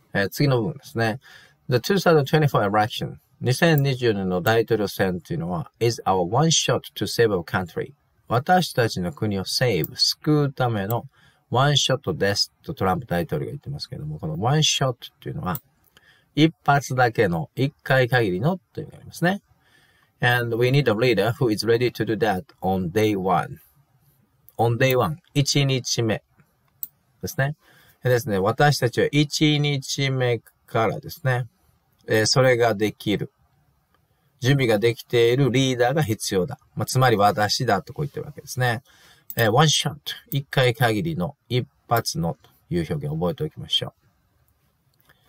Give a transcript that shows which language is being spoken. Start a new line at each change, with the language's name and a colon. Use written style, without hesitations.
Japanese: 次の部分ですね。
English: The 2024 election,
Japanese: 2024年の大統領選というのは、
English: is our one shot to save our country.
Japanese: 私たちの国を save、救うためのワンショットですとトランプ大統領が言ってますけども、このワンショットというのは、一発だけの、一回限りのという意味がありますね。
English: And we need a leader who is ready to do that on day one. On day one,
Japanese: 1日目ですね。ですね、私たちは1日目からですね、それができる準備ができているリーダーが必要だ、まあ、つまり私だとこう言ってるわけですね。ワンショット、一回限りの、一発のという表現を覚えておきましょう。